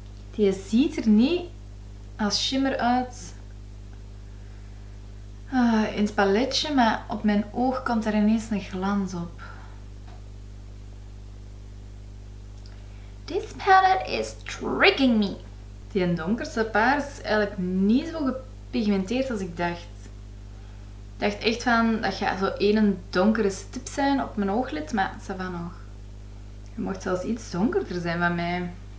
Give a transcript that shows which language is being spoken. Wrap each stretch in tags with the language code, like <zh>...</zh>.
<nl>Die ziet er niet als shimmer uit. In het paletje, maar op mijn oog komt er ineens een glans op.</nl> <en>This palette is tricking me.</en> <nl>Die donkerste paars is eigenlijk niet zo gepigmenteerd als ik dacht. Ik dacht echt van, dat gaat zo één donkere stip zijn op mijn ooglid, maar</nl> <fr>ça va</fr> <nl>nog. Je mocht zelfs iets donkerder zijn van mij.</nl>